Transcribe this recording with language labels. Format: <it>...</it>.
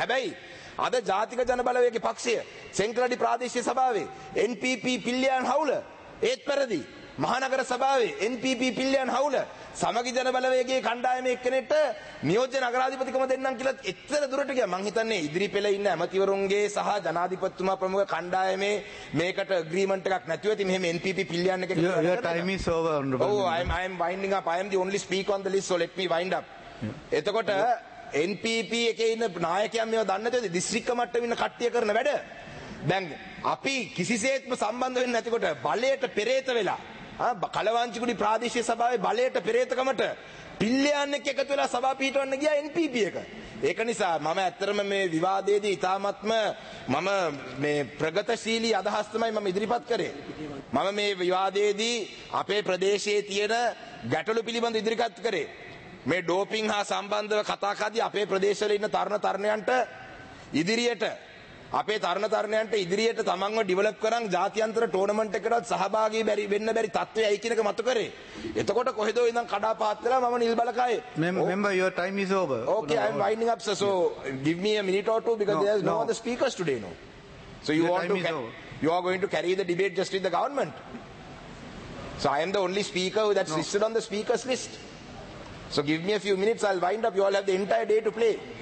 <si>හැබැයි අද ජාතික ජන බලවේගයේ පක්ෂය සෙන්ක්‍රඩි ප්‍රාදේශීය සභාවේ NPP පිල්ලෙයන් හවුල ඒත් පෙරදි මහනගර සභාවේ NPP පිල්ලෙයන් හවුල සමගි ජන බලවේගයේ කණ්ඩායම එක්කෙනෙක්ට නියෝජ්‍ය නගරාධිපතිකම දෙන්නම් කියලා එතර දුරට ගියා. මං හිතන්නේ ඉදිරිපෙළ ඉන්න ඇමතිවරුන්ගේ සහ ජනාධිපතිතුමා ප්‍රමුඛ කණ්ඩායමේ මේකට අග්‍රීමන්ට් එකක් නැතුව ඉතින් මෙහෙම NPP පිල්ලෙයන් එක</si> <en>Your time is over honorable. Oh I am winding up. I am the only speaker on the list so let me wind up.</en> <si>එතකොට NPP එකේ ඉන්න නායකයන් මේව දන්නේ නැතිද? දිස්ත්‍රික්ක මට්ටමින් ඉන්න කට්ටිය කරන වැඩ. දැන් අපි කිසිසේත්ම සම්බන්ධ වෙන්නේ නැතිකොට බලයට පෙරේත වෙලා කලවාංචිකුඩි ප්‍රාදේශීය සභාවේ බලයට පෙරේතකමට පිල්ලෙයන් එකතු වෙලා සභාව පිහිටවන්න ගියා NPP එක. ඒක නිසා මම ඇත්තරම මේ විවාදයේදී ඉතාමත්ම මම මේ ප්‍රගතිශීලී අදහස් තමයි මම ඉදිරිපත් කරේ. මම මේ විවාදයේදී අපේ ප්‍රදේශයේ තියෙන ගැටලු පිළිබඳ ඉදිරිපත් කරේ. මේ ඩෝපින් හා සම්බන්ධව කතා කදී අපේ ප්‍රදේශවල ඉන්න තරුණ තරුණයන්ට ඉදිරියට අපේ තරුණ තරුණයන්ට ඉදිරියට තමන්ව ඩිවලොප් කරන් ජාත්‍යන්තර ටෝර්නමන්ට් එකකටවත් සහභාගී බැරි වෙන්න බැරි තත්ත්වයයි කියන එක මතු කරේ. එතකොට කොහෙදෝ ඉඳන් කඩාපාත් වෙලා මම නිල් බලකය.</si> <en>Member your time is over. Okay I am winding up sir. So give me a minute or two because there is no other speakers today no. So you want to you are going to carry the debate just with the government. So I am the only speaker that's listed on the speakers list. So give me a few minutes I'll wind up. You all have the entire day to play.</en>